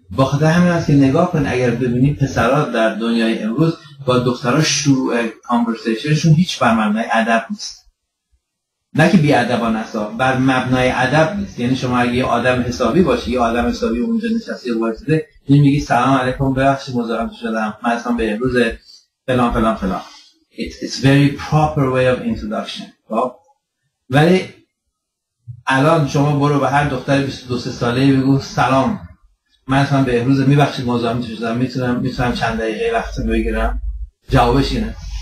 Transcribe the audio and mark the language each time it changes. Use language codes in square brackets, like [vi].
[fa] به خاطر همین هست که نگاه کن اگر ببینی پسرها در دنیای امروز با دخترها شروع conversationشون هیچ برمبنای ادب نیست، نه که بی‌ادبانه است، بر مبنای ادب نیست. یعنی شما اگه یه آدم حسابی باشی، یه آدم حسابی اونجا نشسته وارده، نمیگی سلام علیکم ببخشید مزاحم شدم، من اصلا به امروز فلان فلان فلان. [en] It's very proper way of introduction. [fa] خب ولی الان شما برو به هر دختر 22 ساله‌ای بگو سلام، من اصلا به امروز ببخشید مزاحم شدم، میتونم چند دقیقه وقت بگیرم؟ جوابش اینه.